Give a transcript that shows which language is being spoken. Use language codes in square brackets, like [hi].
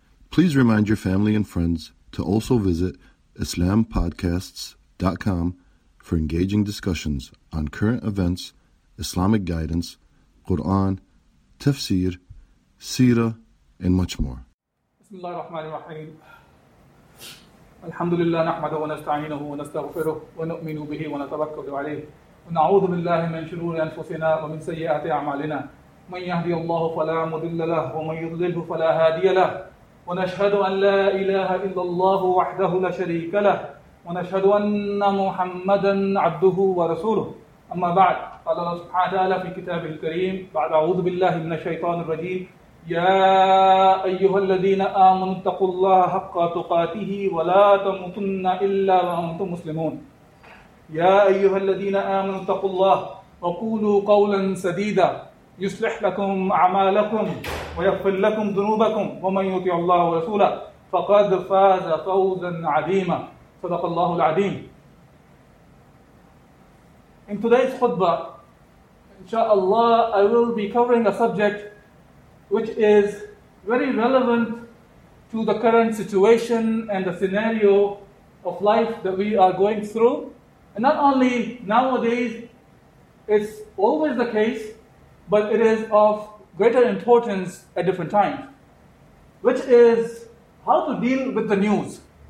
[en] Please remind your family and friends to also visit IslamPodcasts.com for engaging discussions on current events, Islamic guidance, Quran, tafsir, seerah, and much more. [ar] الحمد لله نحمده ونستعينه ونستغفره ونؤمن به ونتوكل عليه ونعوذ بالله من شرور أنفسنا ومن سيئات أعمالنا من يهدي الله فلا مضل له ومن يضلل فلا هادي له ونشهد أن لا إله إلا الله وحده لا شريك له ونشهد أن محمدا عبده ورسوله أما بعد قال الله سبحانه وتعالى في كتابه الكريم بعد أعوذ بالله من الشيطان الرجيم يا أيها الذين آمنوا اتقوا الله حق تقاته ولا تموتن إلا وأنتم مسلمون يا أيها الذين آمنوا اتقوا الله وقولوا قولا سديدا يصلح لكم أعمالكم ويغفر لكم ذنوبكم ومن يطع الله ورسوله فقد فاز فوزا عظيما صدق الله العظيم. [en] In today's khutbah, inshallah, I will be covering a subject which is very relevant to the current situation and the scenario of life that we are going through. And not only nowadays, it's always the case, but it is of greater importance at different times, which is how to deal with the news.